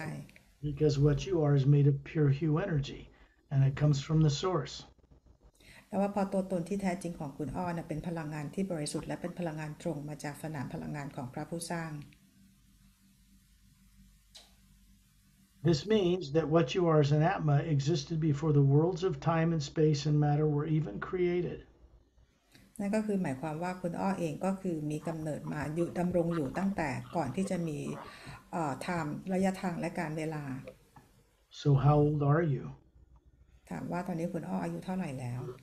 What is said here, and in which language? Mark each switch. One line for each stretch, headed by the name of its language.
English: Because what you are is made of pure hue energy and it comes from the source
Thai: แล้วว่าพอตัวตนที่แท้จริงของคุณอ้อนะเป็นพลังงานที่บริสุทธิ์และเป็นพลังงานตรงมาจากสนามพลังงานของพระผู้สร้าง
English: This means that what you are as an Atma existed before the worlds of time and space and matter were even created.
Thai: นั่นก็คือหมายความว่าคุณอ้อเองก็คือมีกำเนิดมาอยู่ดำรงอยู่ตั้งแต่ก่อนที่จะมีทางระยะทางและการเวลา
English: So how old are you?
Thai: ถามว่าตอนนี้คุณอ้ออายุเท่าไหร่แล้ว